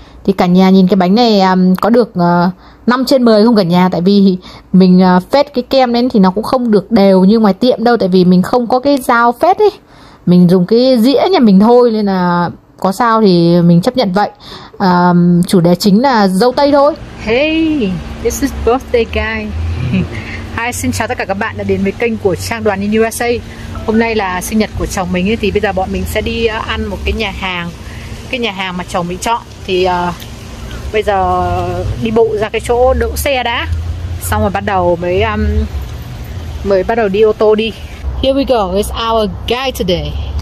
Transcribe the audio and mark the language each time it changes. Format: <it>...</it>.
<vi>Thì cả nhà nhìn cái bánh này có được 5 trên 10 không cả nhà? Tại vì mình phết cái kem lên thì nó cũng không được đều như ngoài tiệm đâu. Tại vì mình không có cái dao phết ấy, mình dùng cái dĩa nhà mình thôi, nên là có sao thì mình chấp nhận vậy. Chủ đề chính là dâu tây thôi.</vi> <en>Hey, this is birthday guy.</en> <vi>Hi, xin chào tất cả các bạn đã đến với kênh của Trang Đoàn In USA. Hôm nay là sinh nhật của chồng mình ấy, thì bây giờ bọn mình sẽ đi ăn một cái nhà hàng, cái nhà hàng mà chồng mình chọn. Thì bây giờ đi bộ ra cái chỗ đỗ xe đã, xong rồi bắt đầu mới bắt đầu đi ô tô đi.</vi> <en>Here we go, it's our guy today.</en>